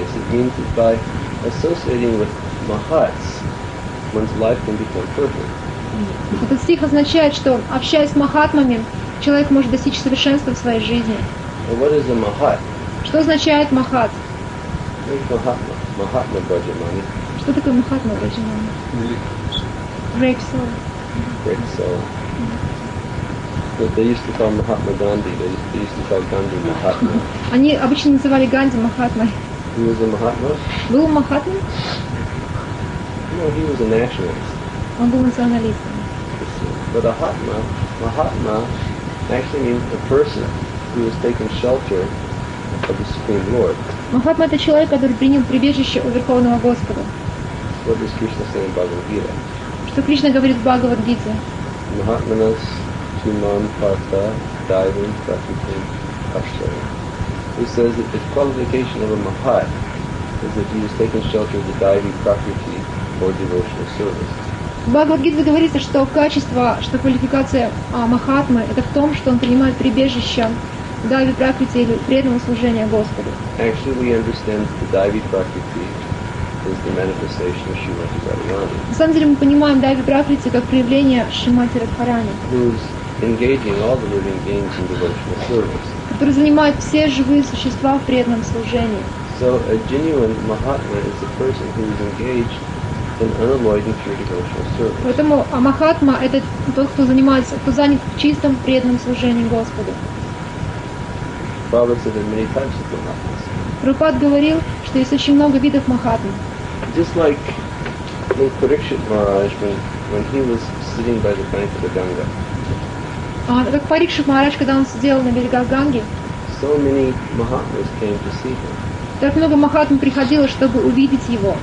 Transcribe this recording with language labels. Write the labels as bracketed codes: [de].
[en] It means that by associating with Mahats, one's life can become perfect. [ru] Этот стих означает, что общаясь с Махатмами, человек может достичь совершенства в своей жизни. [en] And what is a Mahat? [ru] Что означает Махат? [sa] Махатма. Махатма Баджамани. [ru] Что такое Махатма Баджамани? [en] Great soul. Great soul. They used to call Mahatma Gandhi. They used to call Gandhi Махатма. [ru] Они обычно называли Ганди Махатмой. [en] He was a Махатма? [ru] Был Махатма? [en] No, he was a nationalist. [ru] Он был националистом. [en] But Махатма actually means a person who has taken shelter of the Supreme Lord. [ru] Махатма — это человек, который принял прибежище у Верховного Господа. [en] What does Krishna say in Bhagavad-gita? [ru] Что Кришна говорит в Бхагавад-гите? [sa] Mahatmanas Chiman Partha Daivam Pratikam Ashtara. [en] He says that the qualification of a Mahat is that he has taken shelter of the Daivi Prakriti for devotional service. [ru] В Бхагавад-гите говорится, что качество, что квалификация Махатмы — это в том, что он принимает прибежище Дайви Пракрити, или преданного служения Господу. [en] Actually, we understand that the Dayvi Prakriti is the manifestation of Srimati Radharani. [ru] На самом деле мы понимаем Дайви Пракрити как проявление Шримати Радхарани, [en] who is engaging all the living beings in devotional service. [ru] Который занимает все живые существа в преданном служении. [en] So a genuine Mahatma is a person who is engaged in unalloyed and pure devotional service. [ru] Поэтому Махатма — это тот, кто занимается, кто занят в чистом преданном служении Господу. [en] Prabhupada said there are many types of Mahatmas. [ru] Prabhupada говорил, что есть очень много видов Махатмы. [en] Just like in Parikshit Maharaj, when he was sitting by the bank of the Ganga. [ru] Как Парикшит Махарадж, когда он сидел на берегах Ганги. [en] So many Mahatmas came to see him. [ru] Так много Махатм приходило, чтобы увидеть его.